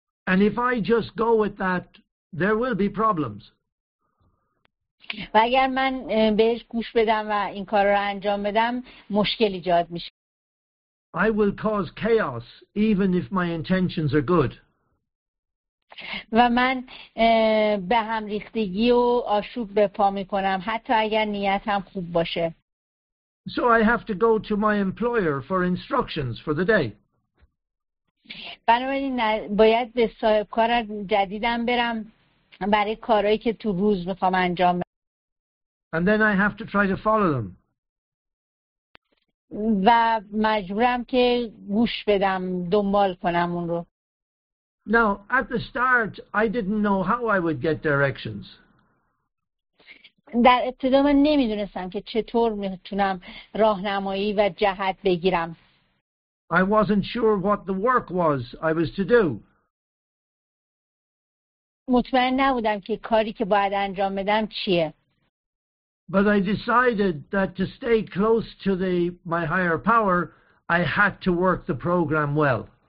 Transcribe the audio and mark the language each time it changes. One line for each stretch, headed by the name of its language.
English: And if I just go with that, there will be problems.
Persian: و اگر من بهش گوش بدم و این کار رو انجام بدم، مشکل ایجاد میشه.
English: I will cause chaos even if my intentions are good.
Persian: و من به هم ریختگی و آشوب به پا می کنم حتی اگر نیتم خوب باشه.
English: So I have to go to my employer for instructions for the day.
Persian: بنابراین باید به صاحب کار جدیدم برم برای کارهایی که تو روز میخوام انجام بدم.
English: And then I have to try to follow them.
Persian: و مجبورم که گوش بدم دنبال کنم اون رو.
English: Now, at the start, I didn't know how I would get directions.
Persian: در ابتدا من نمیدونستم که چطور میتونم راهنمایی و جهت بگیرم.
English: I wasn't sure what the work was I was to do.
Persian: مطمئن نبودم که کاری که باید انجام بدم چیه.
English: But I decided that to stay close to my higher power, I had to work the program well.